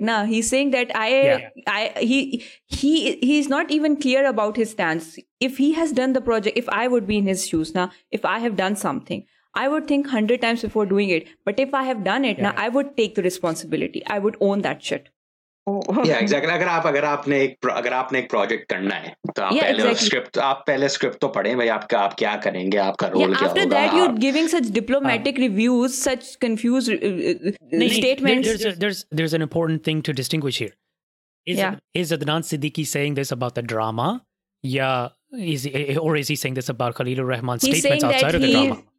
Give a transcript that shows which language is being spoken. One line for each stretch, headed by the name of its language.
English: Now he's saying that he's not even clear about his stance. If he has done the project, if I would be in his shoes now, if I have done something, I would think 100 times before doing it. But if I have done it, I would take the responsibility. I would own that shit. Yeah, exactly.
Hindi: अगर आपने एक project करना है तो आप पहले script तो पढ़ें भाई आप क्या करेंगे आपका role क्या होगा.
English: After that you're giving such diplomatic reviews, such confused statements. There's an important thing to distinguish here. Is Adnan Siddiqui saying this about the drama? Is he saying this about Khalil Rahman's statements outside of the drama?